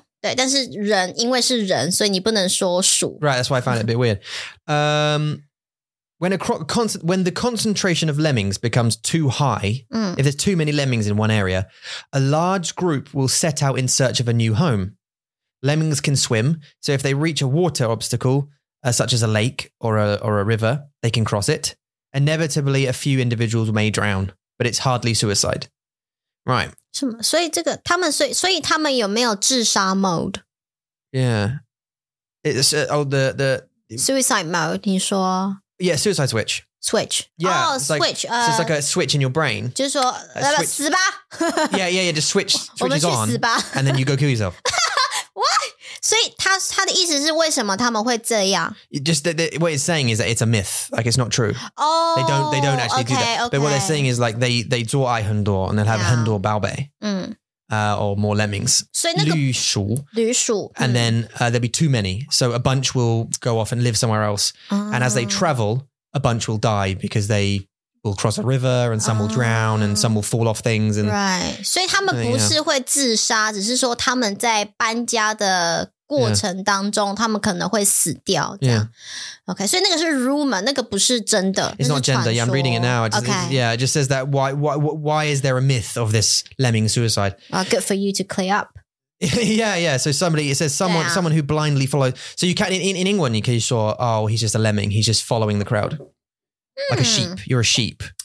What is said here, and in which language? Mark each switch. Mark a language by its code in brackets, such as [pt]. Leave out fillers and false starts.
[zh] 对，但是人因为是人，所以你不能说鼠。 [en] Right, that's why I find it a bit weird. When the concentration of lemmings becomes too high, if there's too many lemmings in one area, a large group will set out in search of a new home. Lemmings can swim, so if they reach a water obstacle, such as a lake or a river, they can cross it. Inevitably, a few individuals may drown. But it's hardly suicide. Right. [zh] 所以他们有没有自杀 mode? [en] Yeah. It's suicide mode, 你说? Yeah, suicide switch. Switch. Yeah, oh, it's like, switch. So it's like a switch in your brain. [zh] 就是说, switch. 死吧! [en] yeah, just switches on. [zh] 我们去死吧! [en] And then you go kill yourself. What? [zh] 所以他的意思是为什么他们会这样? [en] Just what it's saying is that it's a myth. Like it's not true. Oh, they don't actually okay, do that. Okay. But what they're saying is like they 做爱很多 and they'll have 很多宝贝. or more lemmings. [zh] So 那个, 绿鼠, 绿鼠, [en] and then there'll be too many. So a bunch will go off and live somewhere else. And as they travel, a bunch will die because they will cross a river and some will drown and some will fall off things. And, right. [zh] 所以他们不是会自杀, 只是说他们在搬家的 过程当中他们可能会死掉 yeah. Okay, 所以那个是rumor 那个不是真的 [en] It's not gender Yeah, I'm reading it now just, okay. Yeah, it just says that why is there a myth of this lemming suicide? Good for you to clear up Yeah, yeah So somebody It says someone someone who blindly follows So you can in England you can say Oh, he's just a lemming He's just following the crowd Like a sheep You're a sheep